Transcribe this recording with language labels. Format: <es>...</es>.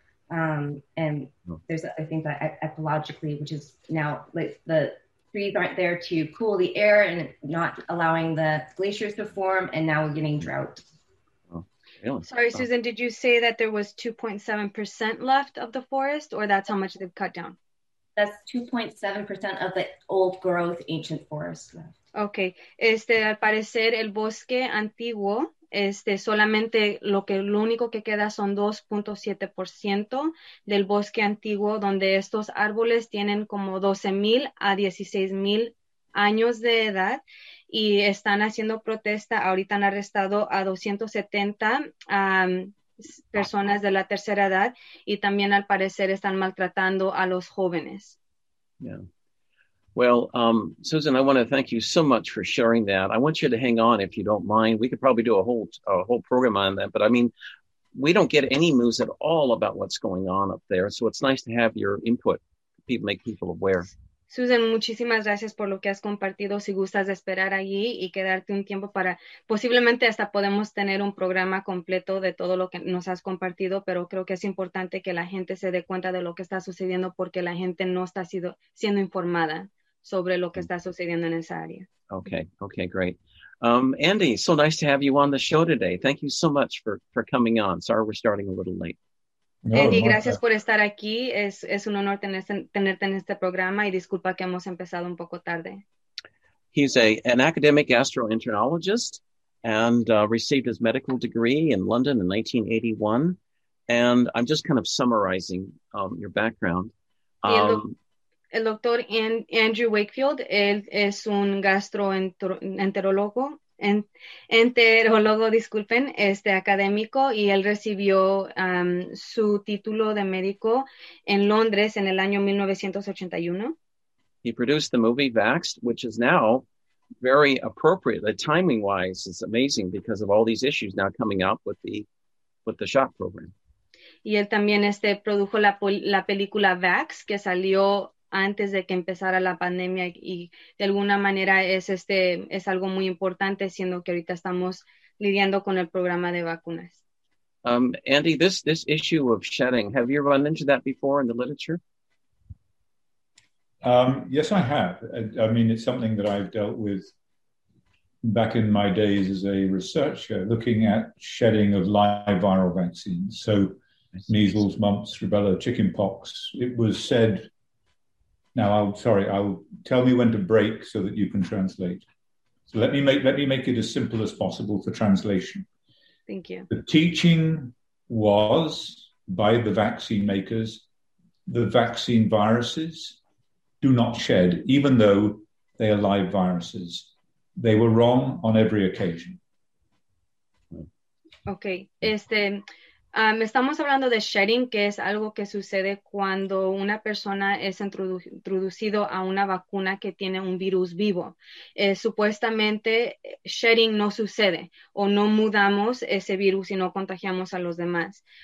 <en>There's other things that ecologically, which is now like the trees aren't there to cool the air and not allowing the glaciers to form, and now we're getting drought. Sorry, Susan, did you say that there was 2.7% left of the forest, or that's how much they've cut down? That's 2.7% of the old growth ancient forest left. Okay.</en> <es>Al parecer, el bosque antiguo, solamente lo único que queda son 2.7% del bosque antiguo, donde estos árboles tienen como 12,000 a 16,000 años de edad. Y están haciendo protesta. Ahorita han arrestado a 270 personas de la tercera edad, y también al parecer están maltratando a los jóvenes.</es> <en>Yeah. Well, Susan, I want to thank you so much for sharing that. I want you to hang on if you don't mind. We could probably do a whole program on that, but I mean, we don't get any news at all about what's going on up there. So it's nice to have your input, make people aware.</en> <es>Susan, muchísimas gracias por lo que has compartido. Si gustas esperar allí y quedarte un tiempo para, posiblemente hasta podemos tener un programa completo de todo lo que nos has compartido, pero creo que es importante que la gente se dé cuenta de lo que está sucediendo, porque la gente no está siendo informada sobre lo que está sucediendo en esa área.</es> <en>Okay, great. Andy, so nice to have you on the show today. Thank you so much for coming on. Sorry we're starting a little late.</en> <es>No, Andy, gracias por estar aquí. Es un honor tenerte en este programa, y disculpa que hemos empezado un poco tarde.</es> <en>He's an academic gastroenterologist and received his medical degree in London in 1981. And I'm just kind of summarizing your background.</en> <es>El doctor Andrew Wakefield, él es un enterólogo, académico, y él recibió su título de médico en Londres en el año 1981.</es> <en>He produced the movie Vaxxed, which is now very appropriate. Timing-wise, it's amazing because of all these issues now coming up with the shot program.</en> <es>Y él también produjo la película Vaxxed, que salió antes de que empezara la pandemia, y de alguna manera es algo muy importante, siendo que ahorita estamos lidiando con el programa de vacunas.</es> <en>Andy, this issue of shedding, have you run into that before in the literature? Yes, I have. I mean, it's something that I've dealt with back in my days as a researcher, looking at shedding of live viral vaccines. So measles, mumps, rubella, chickenpox. It was said... I'll tell me when to break so that you can translate. So let me make it as simple as possible for translation. Thank you. The teaching was by the vaccine makers, the vaccine viruses do not shed, even though they are live viruses. They were wrong on every occasion. Okay.</en> <es>Estamos hablando de shedding, que es algo que sucede cuando una persona es introducido a una vacuna que tiene un virus vivo. Supuestamente, shedding no sucede, o no mudamos ese virus y no contagiamos a los demás.</es>